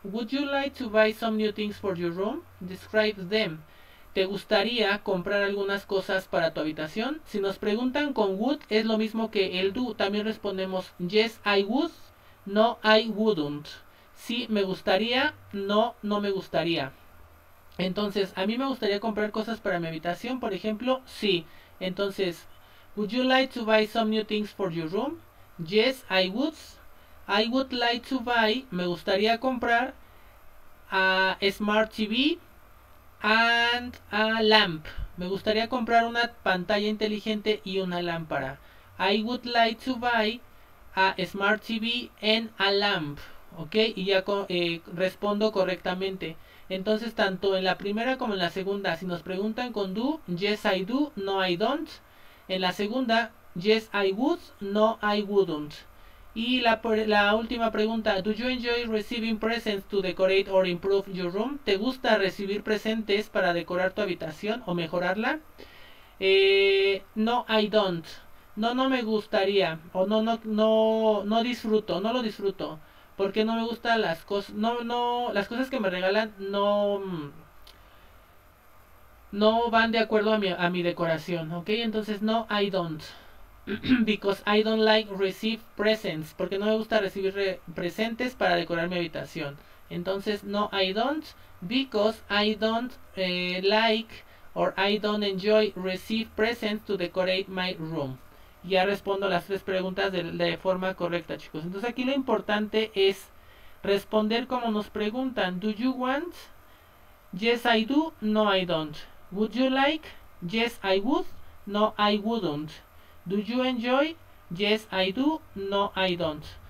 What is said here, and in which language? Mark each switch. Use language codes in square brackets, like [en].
[en] Would you like to buy some new things for your room? Describe them. [es] ¿Te gustaría comprar algunas cosas para tu habitación? Si nos preguntan con would, es lo mismo que el do. También respondemos yes, I would. [en] No, I wouldn't. [es] Sí, me gustaría. No, no me gustaría. Entonces, a mí me gustaría comprar cosas para mi habitación, por ejemplo, sí. Entonces, [en] would you like to buy some new things for your room? Yes, I would. I would like to buy, [es] me gustaría comprar [en] a Smart TV and a lamp. [es] Me gustaría comprar una pantalla inteligente y una lámpara. [en] I would like to buy a Smart TV and a lamp. ¿Ok? [es] Y ya respondo correctamente. Entonces, tanto en la primera como en la segunda, si nos preguntan con do, [en] yes I do, no I don't. [es] En la segunda, [en] yes I would, no I wouldn't. [es] Y la última pregunta, [en] do you enjoy receiving presents to decorate or improve your room? [es] ¿Te gusta recibir presentes para decorar tu habitación o mejorarla? [en] No I don't. [es] No, no me gustaría. O no, no, no, no disfruto, no lo disfruto. Porque no me gustan las cosas, no, no, las cosas que me regalan no van de acuerdo a mi decoración, ¿ok? Entonces no, [en] I don't, because I don't like receive presents, [es] porque no me gusta recibir presentes para decorar mi habitación. Entonces [en] no, I don't, because I don't like or I don't enjoy receive presents to decorate my room. [es] Ya respondo las tres preguntas de forma correcta, chicos. Entonces aquí lo importante es responder como nos preguntan. [en] Do you want? Yes, I do. No, I don't. Would you like? Yes, I would. No, I wouldn't. Do you enjoy? Yes, I do. No, I don't.